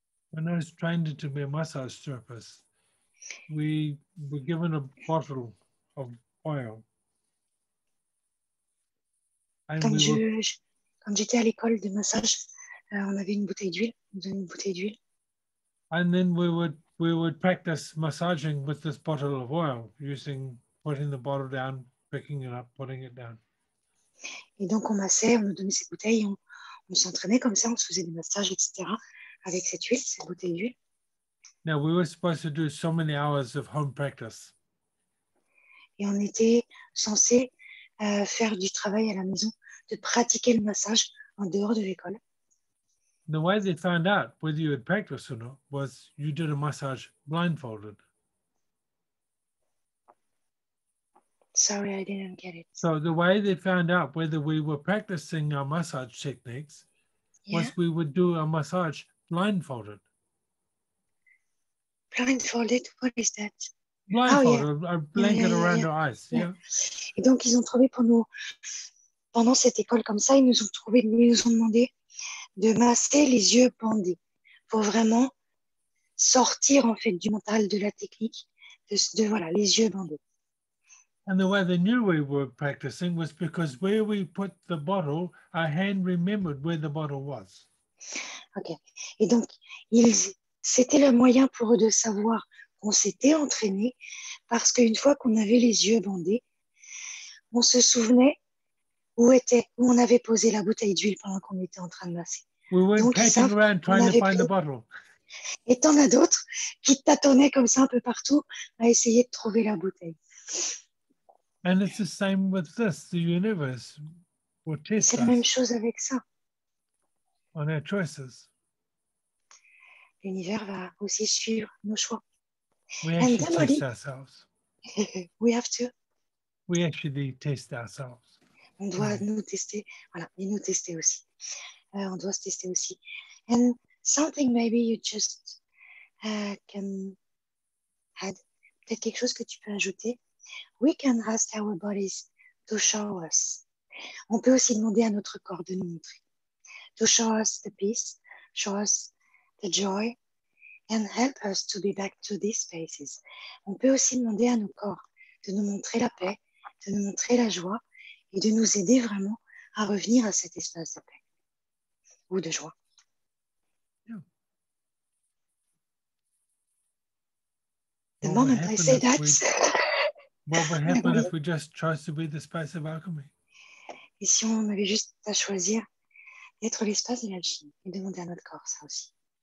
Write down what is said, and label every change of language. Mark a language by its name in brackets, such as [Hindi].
[English] When I was trained to be a massage therapist, we were given a bottle of oil. [French] Quand j'étais à l'école de massage, on avait une bouteille d'huile, [English] And then we would practice massaging with this bottle of oil, using putting the bottle down, picking it up, putting it down. [French] Et donc on massait, on nous donnait ces bouteilles, on s'entraînait comme ça, on se faisait des massages, etc. avec cette huile, cette bouteille d'huile. [English] Now we were supposed to do so many hours of home practice. [French] Et on était censé faire du travail à la maison, de pratiquer le massage en dehors de l'école. [English] The way they found out whether you had practiced or not was you did a massage blindfolded. Sorry, I didn't get it. So the way they found out whether we were practicing our massage techniques was we would do a massage blindfolded. Blindfolded, what is that? Blindfolded, a blanket around our eyes. Yeah. [French] Et donc ils ont trouvé pour nous pendant cette école comme ça, ils nous ont demandé de masser les yeux bandés pour vraiment sortir en fait du mental de la technique de voilà les yeux bandés. [English] And the way they knew we were practicing was because where we put the bottle, our hand remembered where the bottle was. Okay. [French] Et donc, c'était le moyen pour eux de savoir qu'on s'était entraîné parce qu'une fois qu'on avait les yeux bandés, on se souvenait où on avait posé la bouteille d'huile pendant qu'on était en train de masser. [English] We were packing around trying to find the bottle. [French] Et t'en as d'autres qui tâtonnaient comme ça un peu partout à essayer de trouver la bouteille. [English] And it's the same with this, the universe will test [French] us. C'est la même chose avec ça. [English] On our choices. [French] L'univers va aussi suivre nos choix. [English] We actually test ourselves. We have to. We actually test ourselves. [French] On doit nous tester, voilà, et nous tester aussi. On doit se tester aussi. [English] And something maybe you just can add, [French] peut-être quelque chose que tu peux ajouter. [English] We can ask our bodies to show us. [French] On peut aussi demander à notre corps de nous montrer. [English] To show us the peace, show us the joy, and help us to be back to these spaces. [French] On peut aussi demander à nos corps de nous montrer la paix, de nous montrer la joie, et de nous aider vraiment à revenir à cet espace de paix ou de joie. [English] The moment I say that... What would happen if we just chose to be the space of alchemy? [French] Et si on avait juste à choisir d'être l'espace de l'alchimie et demander à notre corps ça aussi.